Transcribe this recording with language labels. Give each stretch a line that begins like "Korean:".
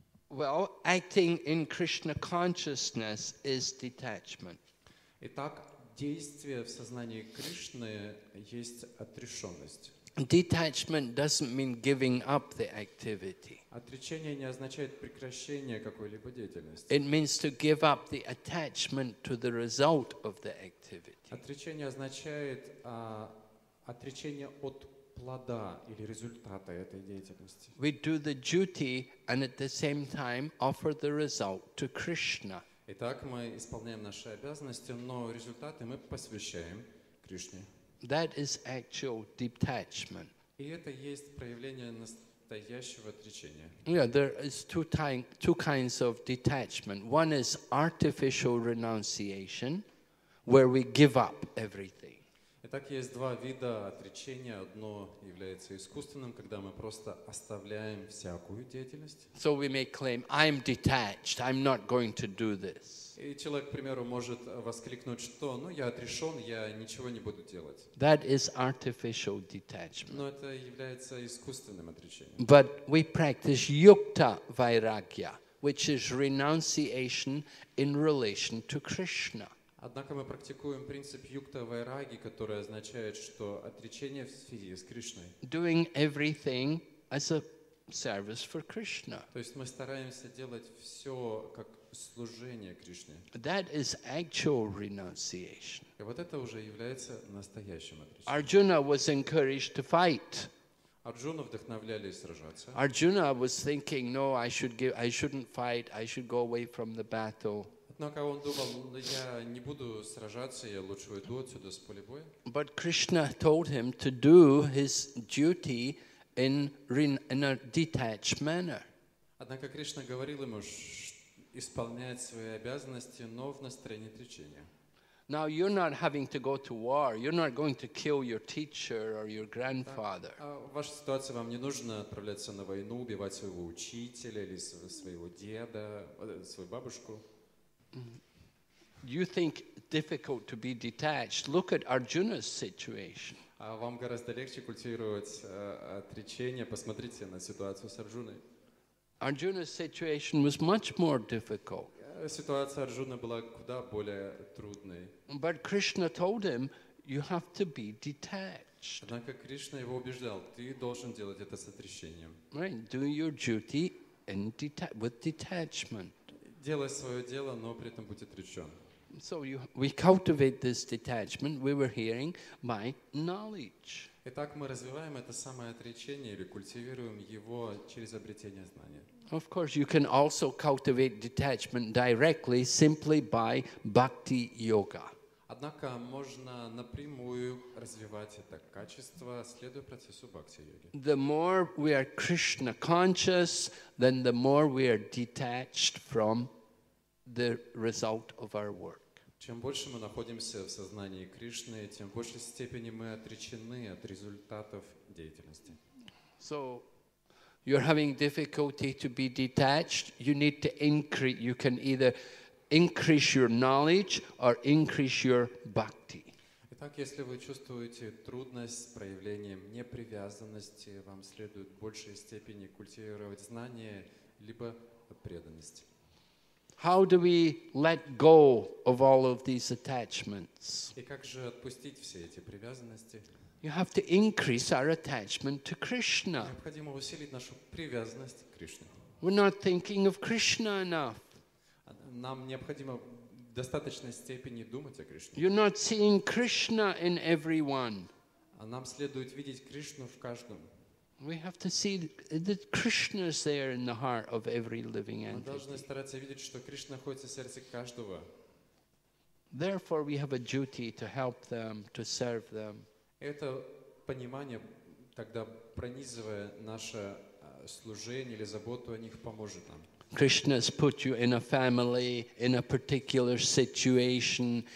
English: Well, acting in Krishna consciousness is detachment.
Russian: Итак, действие в сознании Кришны есть отрешенность.
English: Detachment doesn't mean giving up the activity.
Russian: Отречение не означает прекращение какой-либо деятельности.
English: It means to give up the attachment to the result of the activity.
Russian: Отречение означает отречение от плода или результата этой деятельности.
English: We do the duty and at the same time offer the result to Krishna.
Russian: Итак, мы исполняем наши обязанности, но результаты мы посвящаем Кришне.
English: That is actual detachment.
Russian: И это есть проявление настоящего отречения.
English: Yeah, there is two kinds of detachment. One is artificial renunciation, where we give up everything.
Russian: Итак, есть два вида отречения. Одно является искусственным, когда мы просто оставляем всякую деятельность.
English: So we may claim, I'm detached, I'm not going to do this.
Russian: И человек, к примеру, может воскликнуть, что «ну, я отрешен, я ничего не буду делать».
English: That is artificial detachment.
Russian: Но это является искусственным отречением.
English: But we practice yukta vairagya, which is renunciation in relation to Krishna.
Russian: Однако мы практикуем принцип yukta vairagya, который означает, что отречение в связи с Кришной.
English: Doing everything as a service for Krishna.
Russian: То есть мы стараемся делать все как служение Кришне.
English: That is actual renunciation.
Russian: И вот это уже является настоящим отречением.
English: Arjuna was encouraged to fight.
Russian: Арджуна вдохновляли сражаться.
English: Arjuna was thinking, no, I shouldn't fight. I should go away from the battle.
Russian: Однако он думал, я не буду сражаться, я лучше уйду отсюда с поля боя.
English: But Krishna told him to do his duty in a detached manner.
Russian: Однако Кришна говорил ему, исполнять свои обязанности, но в настроении отречения.
English: Now you're not having to go to war. You're not going to kill your teacher or your grandfather.
Russian: Ваша ситуация, вам не нужно отправляться на войну, убивать своего учителя или своего деда, свою бабушку.
English: You think difficult to be detached? Look at Arjuna's situation.
Russian: А вам гораздо легче культивировать отречение? Посмотрите на ситуацию с Арджуной.
English: Arjuna's situation was much more difficult.
Russian: Ситуация Арджуны была куда более трудной.
English: But Krishna told him, you have to be detached. attached.
Russian: Однако Кришна его убеждал: ты должен делать это с отрешением.
English: Right, do your duty and with detachment.
Russian: Делай свое дело, но при этом будь отречен.
English: So we cultivate this detachment we were hearing by knowledge.
Russian: Итак, мы развиваем это самое отречение или культивируем его через обретение знания.
English: Of course, you can also cultivate detachment directly simply by bhakti yoga.
Russian: Однако можно напрямую развивать это качество, следуя процессу бхакти йоги.
English: The more we are Krishna conscious, then the more we are detached from the result of our work.
Russian: Чем больше мы находимся в сознании Кришны, тем в большей степени мы отречены от результатов деятельности.
English: So you're having difficulty to be detached, you need to increase, you can either increase your knowledge or increase your bhakti.
Russian: Итак, если вы чувствуете трудность с проявлением непривязанности, вам следует в большей степени культивировать знания либо преданность.
English: How do we let go of all of these attachments?
Russian: И как же отпустить все эти привязанности?
English: You have to increase our attachment to Krishna.
Russian: Необходимо усилить нашу привязанность к Кришне.
English: We're not thinking of Krishna enough.
Russian: Нам необходимо в достаточной степени думать о Кришне.
English: You're not seeing Krishna in everyone.
Russian: А нам следует видеть Кришну в каждом.
English: We have to see that Krishna is there in the heart of every living entity.
Russian: Мы должны стараться видеть, что Кришна находится в сердце каждого.
English: Therefore, we have a duty to help them, to serve them.
Russian: Это понимание тогда пронизывая наше служение или заботу о них поможет нам.
English: Krishna has put you in a family, in a particular situation.